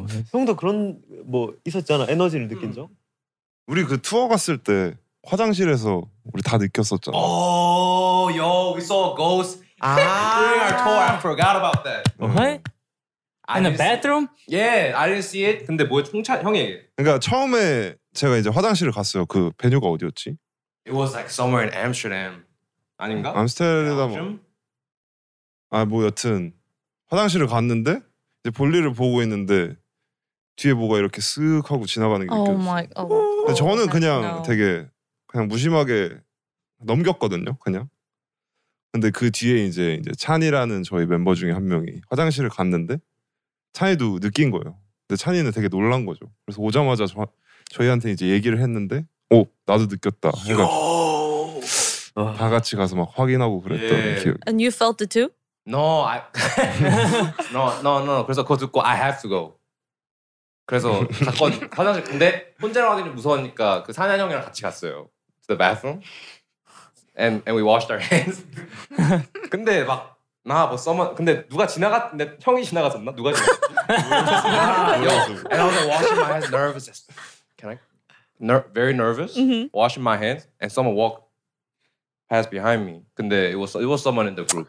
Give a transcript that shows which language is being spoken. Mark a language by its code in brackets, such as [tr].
[ko] 형도 그런 뭐 있었잖아 에너지를 느낀 적? 우리 그 투어 갔을 때 화장실에서 우리 다 느꼈었잖아. [en] Oh, yo, we saw a ghost during our tour. I forgot about that. What? In the bathroom? Yeah, I didn't see it. [ko] 근데 뭐 총차 형이. 그러니까 처음에 제가 이제 화장실을 갔어요. 그 베뉴가 어디였지? [en] It was like somewhere in Amsterdam. [ko] 아닌가? 암스테르담. 아, 뭐 여튼 화장실을 갔는데 이제 볼일을 보고 있는데 뒤에 뭐가 이렇게 쓱 하고 지나가는 게 느껴졌어요. [en] Oh my, oh. [ko] 근데 저는 그냥 되게 그냥 무심하게 넘겼거든요. 그냥. 근데 그 뒤에 이제 찬이라는 저희 멤버 중에 한 명이 화장실을 갔는데 찬이도 느낀 거예요. 근데 찬이는 되게 놀란 거죠. 그래서 오자마자 저희한테 이제 얘기를 했는데 오 나도 느꼈다. 다 같이 가서 막 확인하고 그랬던 yeah. 기억. [en] And you felt it too? No, I. no, no, no, no. [ko] 그래서 그거 듣고 [en] I have to go. [ko] 그래서 사건 화장실 근데 혼자로 가기 무서우니까 그 산현 형이랑 같이 갔어요. [en] To the bathroom. And we washed our hands. [ko] 근데 막 나 뭐 써먼 근데 누가 지나갔는데 형이 지나갔었나? 누가 지나갔었나? [en] And I was washing my hands, nervous. Can I? Very nervous. Mm-hmm. Washing my hands and someone walked. Pass behind me. 근데 it was someone in the group.